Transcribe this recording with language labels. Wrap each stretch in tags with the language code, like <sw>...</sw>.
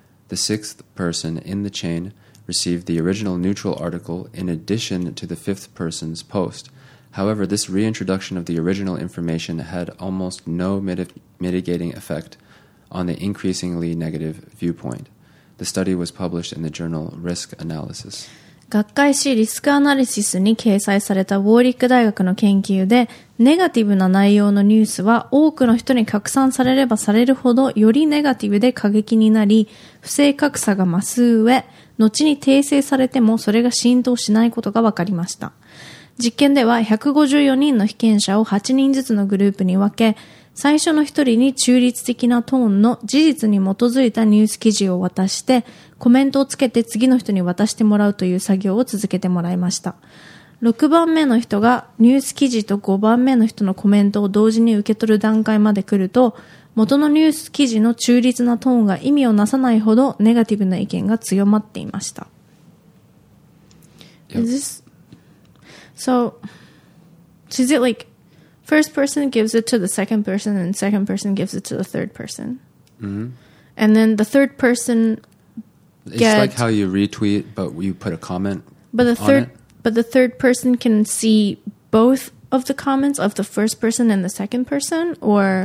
<en>The sixth person in the chain received the original neutral article in addition to the fifth person's post. However, this reintroduction of the original information had almost no mitigating effect on the increasingly negative viewpoint. The study was published in the journal Risk Analysis.</en> <ja>学会誌リスクアナリシスに掲載されたウォーリック大学の研究で、ネガティブな内容のニュースは多くの人に拡散されればされるほどよりネガティブで過激になり、不正格差が増す上、後に訂正されてもそれが浸透しないことが分かりました。実験では154人の被験者を8人ずつのグループに分け、最初の1人に中立的なトーンの事実に基づいたニュース記事を渡して、コメントをつけて次の人に渡してもらうという作業を続けてもらいました。 6番目の人がニュース記事と5番目の人のコメントを同時に受け取る段階まで来ると、元のニュース記事の中立なトーンが意味をなさないほどネガティブな意見が強まっていました。</ja> <en>So, is it like first person gives it to the second person and second person gives it to the third person? Mm-hmm. And then the third person gets... It's like how you retweet, but you put a comment But the third person can see both of the comments of the first person and the second person, or...</en>